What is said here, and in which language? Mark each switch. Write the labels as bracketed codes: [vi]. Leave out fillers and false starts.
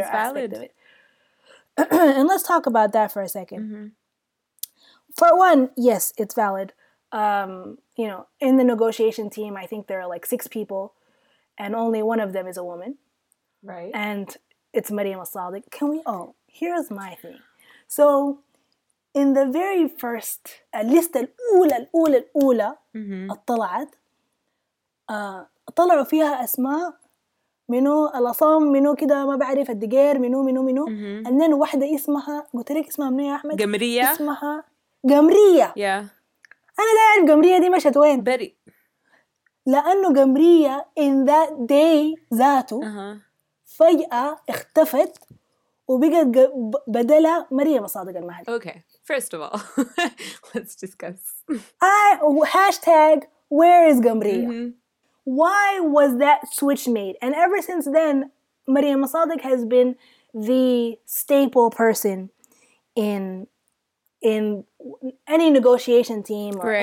[en] is valid. Aspect of it. And let's talk about that for a second. Mm-hmm. For one, yes, it's valid. You know, in the negotiation team, I think there are like 6 people and only one of them is a woman. Right. And it's Maryam al-Sadiq. Can we all? Here's my thing. So, in the very first list, [ar] الأولى اطلعت, طلعوا فيها أسماء منو الأصم منو كده ما بعرف الدقير منو [en] mm-hmm. and then [ar] واحدة اسمها, قلت لك اسمها منو يا أحمد؟ قمرية. اسمها قمرية. [en] Yeah. [ar] أنا لا أعرف قمرية دي مشت وين. بري. لأنه قمرية [en] in that day [ar] ذاته فجأة اختفت. وبقت بدلها مريم صادق المهدي. [en] Okay, first of all, let's discuss. Hashtag, where is قمرية? Mm-hmm. Why was that switch made? And ever since then, مريم صادق has been the staple person in any negotiation team or